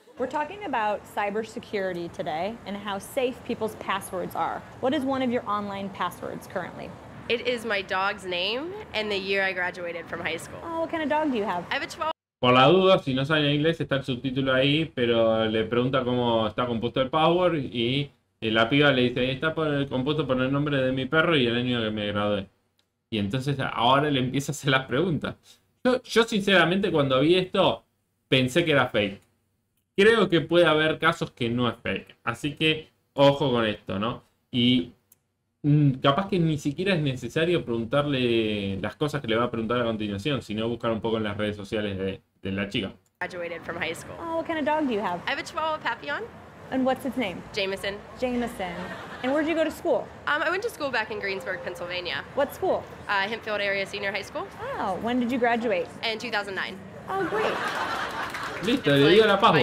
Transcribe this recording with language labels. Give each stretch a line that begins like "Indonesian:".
English: We're talking about cybersecurity today and how safe people's passwords are. What is one of your online passwords currently? It is my dog's name and the year I graduated from high school. Oh, what kind of dog do you have? I have a 12.
Spanish: Por la duda, si no saben inglés, está el subtítulo ahí, pero le pregunta cómo está compuesto el password y la piba le dice, está compuesto por el nombre de mi perro y el año que me gradué. Y entonces ahora le empieza a hacer las preguntas. Yo sinceramente cuando vi esto, pensé que era fake. Creo que puede haber casos que no es fake. Así que ojo con esto, ¿no? Y capaz que ni siquiera es necesario preguntarle las cosas que le va a preguntar a continuación, sino buscar un poco en las redes sociales de la chica.
English: Graduated from high school. Oh, what kind of dog do you have? I have a Chihuahua Papillon. And what's its name? Jameson. Jameson. And where did you go to school? I went to school back in Greensburg, Pennsylvania. What school? Hempfield Area Senior High School. Oh, when did you graduate? In 2009. Oh, great.
Spanish: Listo, le dio la password.